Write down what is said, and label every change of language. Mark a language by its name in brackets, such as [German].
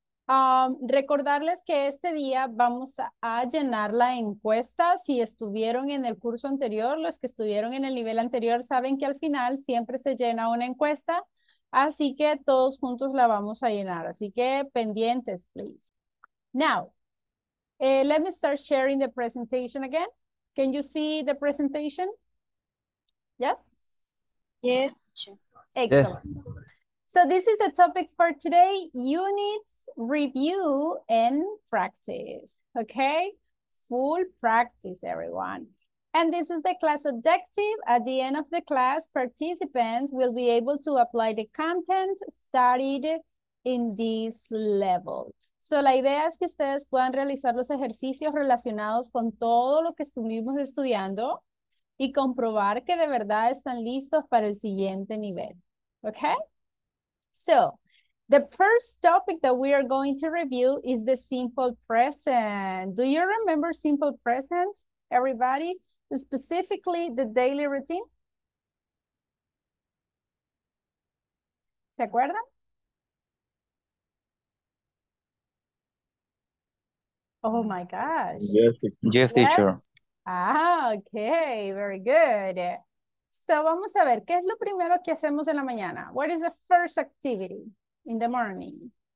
[Spanish] Recordarles que este día vamos a llenar la encuesta. Si estuvieron en el curso anterior, los que estuvieron en el nivel anterior saben que al final siempre se llena una encuesta. Así que todos juntos la vamos a llenar. Así que pendientes, [English] please. Now, let me start sharing the presentation again. Can you see the presentation? Yes? Yeah. Excellent. Yeah. So this is the topic for today, units, review, and practice. Okay? Full practice, everyone. And this is the class objective. At the end of the class, participants will be able to apply the content studied in this level. [Spanish] So la idea es que ustedes puedan realizar los ejercicios relacionados con todo lo que estuvimos estudiando y comprobar que de verdad están listos para el siguiente nivel. [English] Okay? So, the first topic that we are going to review is the simple present. Do you remember simple present, everybody? Specifically, the daily routine? [Spanish] ¿Se acuerdan? [English] Oh my gosh. Yes, yes, teacher. Ah, okay, very good. [Spanish] So vamos a ver, ¿qué es lo primero que hacemos en la mañana? [English] What is the first activity in the morning?